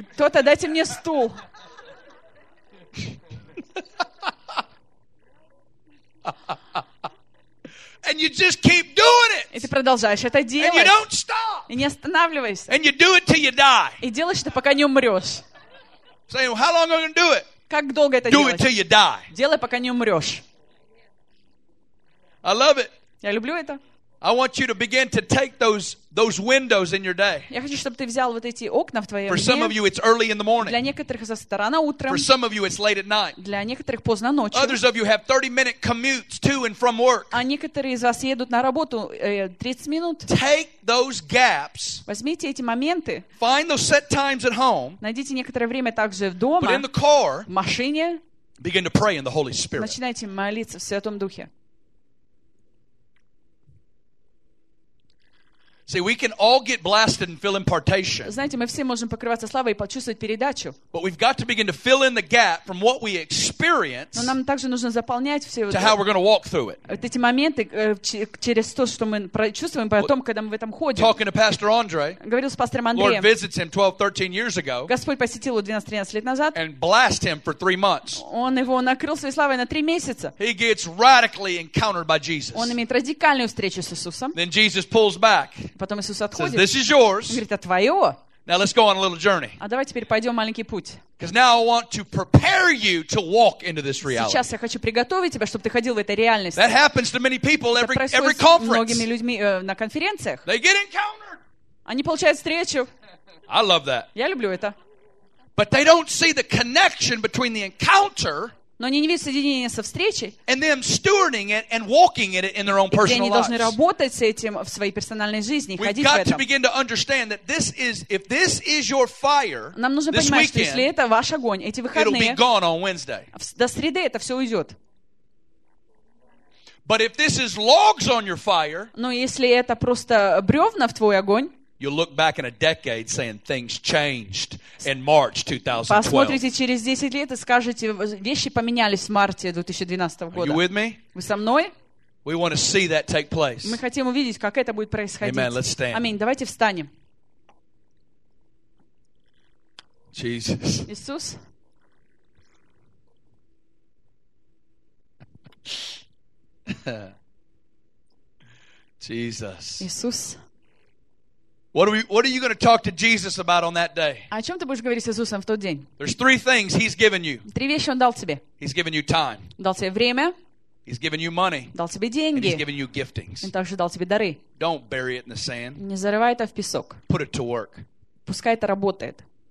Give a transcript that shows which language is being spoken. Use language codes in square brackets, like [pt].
[ru] Кто-то дайте мне стул. [en] And you just keep doing it. [ru] И ты продолжаешь это делать. [en] And you don't stop. [ru] И не останавливайся. [en] And you do it till you die. [ru] И делаешь это, пока не умрешь. [en] Saying, how long are you gonna do it? [ru] Как долго это делать? [en] Do it till you die. [ru] Делай, пока не умрешь. [en] I love it. [ru] Я люблю это. [en] I want you to begin to take those windows in your day. [ru] Я хочу, чтобы ты взял вот эти окна в твоей жизни. [en] For some of you, it's early in the morning. [ru] Для некоторых из вас это рано утром. [en] For some of you, it's late at night. [ru] Для некоторых поздно ночью. [en] Others of you have 30-minute commutes to and from work. [ru] А некоторые из вас едут на работу 30 минут. [en] Take those gaps. [ru] Возьмите эти моменты. [en] Find those set times at home. [ru] Найдите некоторое время также дома. [en] Put in the car. [ru] В машине. [en] Begin to pray in the Holy Spirit. [ru] Начинайте молиться в Святом Духе. [en] See, we can all get blasted and feel impartation. [ru] Знаете, мы все можем покрываться славой и почувствовать передачу. [en] But we've got to begin to fill in the gap from what we experience. [ru] Но нам также нужно заполнять все. [en] To how we're going to walk through it. [ru] Вот эти моменты через то, что мы прочувствуем потом, когда мы в этом ходим. [en] Talking to Pastor Andre. [ru] Говорил с пастором Андреем. [en] Lord visits him 12-13 years ago. [ru] Господь посетил его 12-13 лет назад. [en] And blast him for 3 months. [ru] Он его накрыл своей славой на 3 месяца. [en] He gets radically encountered by Jesus. [ru] Он имеет радикальную встречу с Иисусом. [en] Then Jesus pulls back. [ru] Потом Иисус отходит. [en] Says, this is yours. [ru] Он говорит, это твое. [en] Now let's go on a little journey. [ru] А давай теперь пойдем маленький путь. [en] Because now I want to prepare you to walk into this reality. [ru] Сейчас я хочу приготовить тебя, чтобы ты ходил в этой реальности. [en] That happens to many people every conference. [ru] Многими людьми на конференциях. [en] They get encountered. [ru] Они получают встречу. [en] I love that. [ru] Я люблю это. [en] But they don't see the connection between the encounter. [ru] Но они не видят соединения со встречей. [en] And them stewarding it and walking in it in their own personal lives. [ru] И где они должны работать с этим в своей персональной жизни, ходить в этом. [en] We've got to begin to understand that if this is your fire. [ru] Нам нужно понимать, что если это ваш огонь, эти выходные. [en] It'll be gone on Wednesday. [ru] До среды это все уйдет. [en] But if this is logs on your fire. [ru] Но если это просто бревна в твой огонь. [en] You'll look back in a decade saying things changed in March 2012. [ru] Посмотрите через 10 лет и скажете, вещи поменялись в марте 2012 года. [en] Are you with me? [ru] Вы со мной? [en] We want to see that take place. [ru] Мы хотим увидеть, как это будет происходить. [en] Amen. Let's stand. [ru] Аминь. Давайте встанем. [en] Jesus. [ru] Иисус. [en] Jesus. [ru] Иисус. [en] What are you going to talk to Jesus about on that day? [ru] О чем ты будешь говорить с Иисусом в тот день? [en] There's 3 things He's given you. [ru] Три вещи Он дал тебе. [en] He's given you time. [ru] Дал тебе время. [en] He's given you money. [ru] Дал тебе деньги. [en] And He's given you giftings. [ru] Он также дал тебе дары. [en] Don't bury it in the sand. [ru] Не зарывай это в песок. [en] Put it to work. [ru] Пускай это работает.